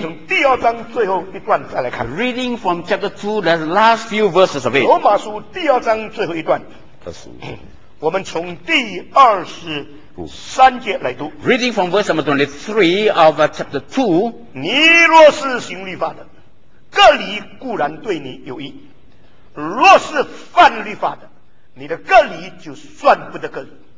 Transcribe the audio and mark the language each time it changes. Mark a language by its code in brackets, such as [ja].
[zh] 从第二章最后一段再来看。 [en] Reading from chapter 2, the last few verses of it。 [zh] 罗马书第二章最后一段。我们从第二十三节来读。 [en] Reading from verse number 23 of chapter 2。 [zh] 你若是行律法的，割礼固然对你有益；若是犯律法的，你的割礼就算不得割礼。